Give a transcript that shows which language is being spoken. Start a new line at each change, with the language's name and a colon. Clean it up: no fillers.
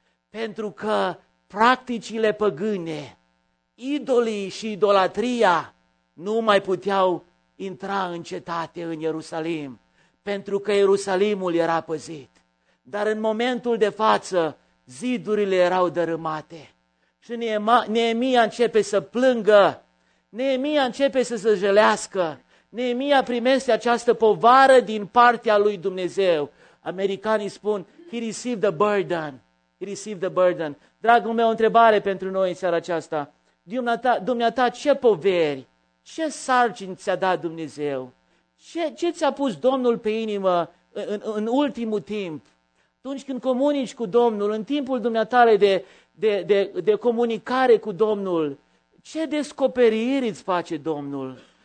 Romanian: Pentru că practicile păgâne, idolii și idolatria nu mai puteau intra în cetate, în Ierusalim, pentru că Ierusalimul era păzit. Dar în momentul de față, zidurile erau dărâmate și Neemia începe să plângă, Neemia începe să se jelească. Neemia primește această povară din partea lui Dumnezeu. Americanii spun,
English: he received the burden. He received the burden.
Romanian: Dragul meu, o întrebare pentru noi în seara aceasta. Dumneata, ce poveri, ce sarcini ți-a dat Dumnezeu? Ce ți-a pus Domnul pe inimă în ultimul timp? Atunci când comunici cu Domnul, în timpul dumneatare de comunicare cu Domnul, ce descoperiri îți face Domnul?